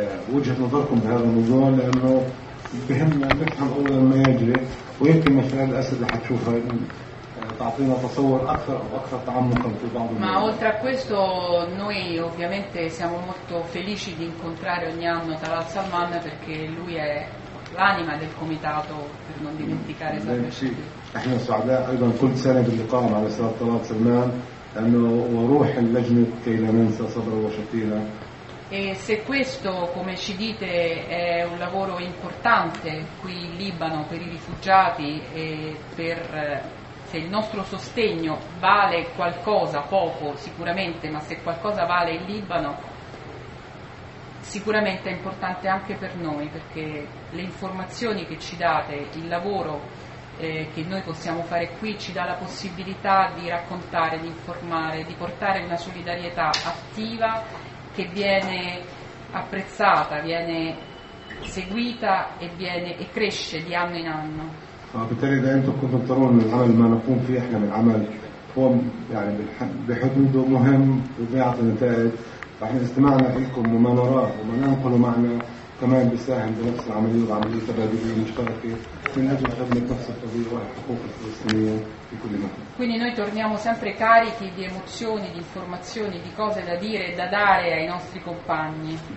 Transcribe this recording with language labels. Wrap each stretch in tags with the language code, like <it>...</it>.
<ar>وجهة نظركم بهذا الموضوع لأنه بهمنا نفهم أول ما يجري ويمكن من خلال الأسئلة اللي حتشوفها تعطينا تصور أكثر أو أكثر تعمقاً في بعض.</ar> <it>Ma oltre a questo noi ovviamente siamo molto felici di incontrare ogni anno Talal Salman perché lui è l'anima del comitato per non dimenticare Salman.</it> <ar>إحنا سعداء أيضا كل سنة باللقاء مع الأستاذ طلال سلمان لأنه وروح اللجنة كي لا ننسى صبره وشتيله.</ar> <it>E se questo, come ci dite, è un lavoro importante qui in Libano per i rifugiati e se il nostro sostegno vale qualcosa, poco sicuramente, ma se qualcosa vale in Libano, sicuramente è importante anche per noi, perché le informazioni che ci date, il lavoro che noi possiamo fare qui ci dà la possibilità di raccontare, di informare, di portare una solidarietà attiva che viene apprezzata, viene seguita e viene e cresce di anno in anno.</it> <ar>فبالتالي إذا أنتم كنتم ترون العمل ما نقوم فيه إحنا من عمل هو يعني بحدوده مهم وبيعطي نتائج فإحنا استمعنا لكم وما نراه وما ننقله معنا كمان بيساهم بنفس العملية وعملية تبادلية مشتركة من أجل خدمة نفس القضية والحقوق الفلسطينية.</ar> <it>Quindi noi torniamo sempre carichi di emozioni, di informazioni, di cose da dire e da dare ai nostri compagni.</it>